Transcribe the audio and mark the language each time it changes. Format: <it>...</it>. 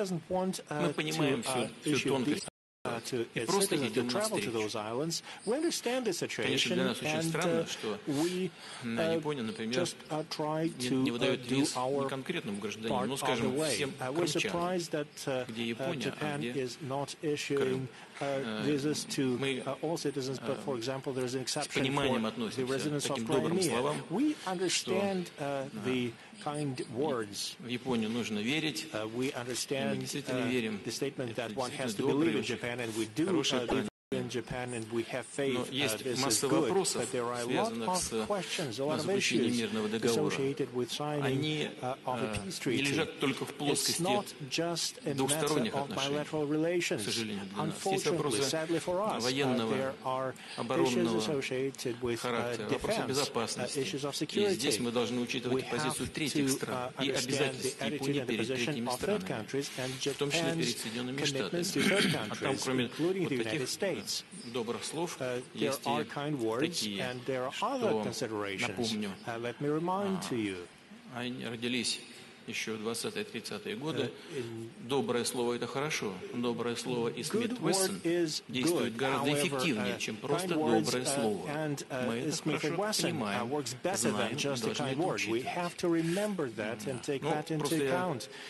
<ru>Мы понимаем всю тонкость и просто идем навстречу. Конечно, для нас очень странно, что Япония, например, не выдает виз не конкретному гражданину, но, скажем, всем крымчанам, где Япония, а где Крым.</ru> <en>Visas to all citizens, but for example, there is an exception for the residents of Crimea. We understand the kind words. We understand the statement that one has to believe in Japan, and we do believe in Japan, and we have faith that this is good. But there are a lot of questions, a lot of issues associated with signing of a peace treaty. It's not just a matter of bilateral relations. Unfortunately, sadly for us, there are issues associated with defense, issues of security. We have to understand the attitude and the position of third countries and Japan's commitments to third countries, including the United States. There are kind words and there are other considerations. Let me remind you.</en> <ru>Еще 20-30-е годы, доброе слово – это хорошо. Доброе слово и Смит-Вессон действует гораздо эффективнее, чем просто доброе слово. Мы это хорошо понимаем, знаем, должны это учитывать.</ru>